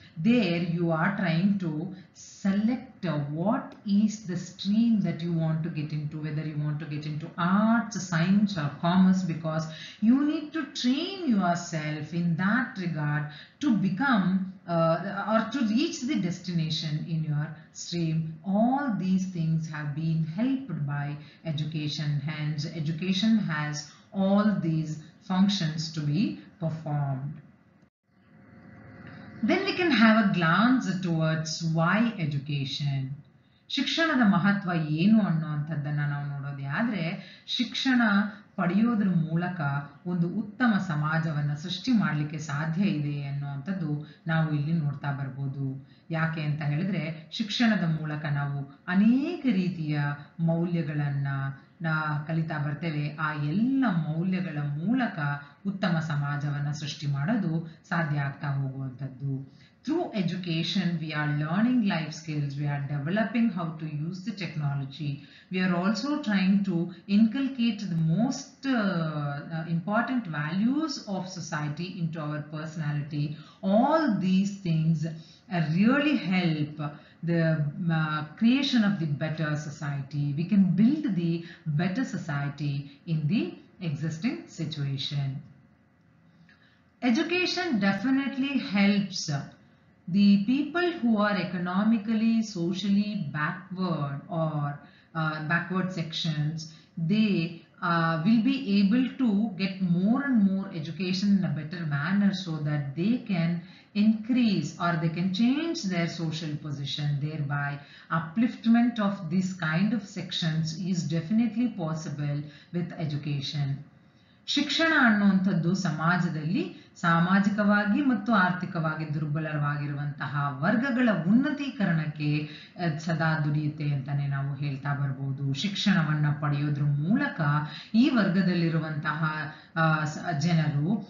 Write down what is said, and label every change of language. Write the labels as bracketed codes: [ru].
[en] There you are trying to select what is the stream that you want to get into, whether you want to get into arts, science or commerce, because you need to train yourself in that regard to become or to reach the destination in your stream. All these things have been helped by education. Hence, education has all these functions to be performed. Then we can have a glance towards why education. [kn] ಶಿಕ್ಷಣದ ಮಹತ್ವ ಏನು ಅನ್ನುವಂಥದ್ದನ್ನು ನಾವು ನೋಡೋದೇ ಆದರೆ, ಶಿಕ್ಷಣ ಪಡೆಯೋದ್ರ ಮೂಲಕ ಒಂದು ಉತ್ತಮ ಸಮಾಜವನ್ನು ಸೃಷ್ಟಿ ಮಾಡಲಿಕ್ಕೆ ಸಾಧ್ಯ ಇದೆ ಅನ್ನುವಂಥದ್ದು ನಾವು ಇಲ್ಲಿ ನೋಡ್ತಾ ಬರ್ಬೋದು. ಯಾಕೆ ಅಂತ ಹೇಳಿದ್ರೆ, ಶಿಕ್ಷಣದ ಮೂಲಕ ನಾವು ಅನೇಕ ರೀತಿಯ ಮೌಲ್ಯಗಳನ್ನು ಕಲಿತಾ ಬರ್ತೇವೆ. ಆ ಎಲ್ಲ ಮೌಲ್ಯಗಳ ಮೂಲಕ ಉತ್ತಮ ಸಮಾಜವನ್ನು ಸೃಷ್ಟಿ ಮಾಡೋದು ಸಾಧ್ಯ ಆಗ್ತಾ ಹೋಗುವಂಥದ್ದು. [en] Through education, we are learning life skills, we are developing how to use the technology. We are also trying to inculcate the most important values of society into our personality. All these things really help the creation of the better society. We can build the better society in the existing situation. Education definitely helps the people who are economically, socially backward or backward sections, they will be able to get more and more education in a better manner so that they can increase or they can change their social position. Thereby, upliftment of this kind of sections is definitely possible with education. [kn] ಶಿಕ್ಷಣ ಅನ್ನುವಂಥದ್ದು ಸಮಾಜದಲ್ಲಿ ಸಾಮಾಜಿಕವಾಗಿ ಮತ್ತು ಆರ್ಥಿಕವಾಗಿ ದುರ್ಬಲವಾಗಿರುವಂತಹ ವರ್ಗಗಳ ಉನ್ನತೀಕರಣಕ್ಕೆ ಸದಾ ದುಡಿಯುತ್ತೆ ಅಂತಲೇ ನಾವು ಹೇಳ್ತಾ ಬರ್ಬೋದು. ಶಿಕ್ಷಣವನ್ನು ಪಡೆಯೋದ್ರ ಮೂಲಕ ಈ ವರ್ಗದಲ್ಲಿರುವಂತಹ ಜನರು